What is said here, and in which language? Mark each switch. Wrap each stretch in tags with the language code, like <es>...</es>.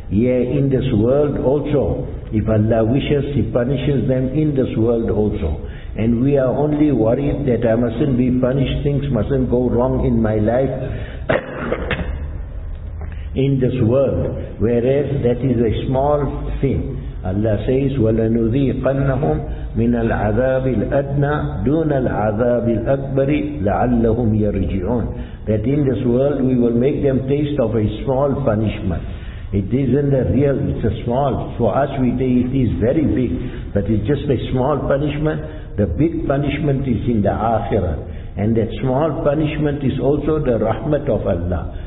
<en>Yea, in this world also, if Allah wishes, He punishes them in this world also. And we are only worried that I mustn't be punished, things mustn't go wrong in my life in this world, whereas that is a small thing. Allah says,</en> <ar>وَلَنُذِيقَنَّهُمْ مِنَ الْعَذَابِ الْأَدْنَى دُونَ الْعَذَابِ الْأَكْبَرِ لَعَلَّهُمْ يَرْجِعُونَ.</ar> <en>That in this world we will make them taste of a small punishment. It isn't a real, it's a small, for us we say it is very big, but it's just a small punishment. The big punishment is in the Akhirah. And that small punishment is also the rahmat of Allah.</en>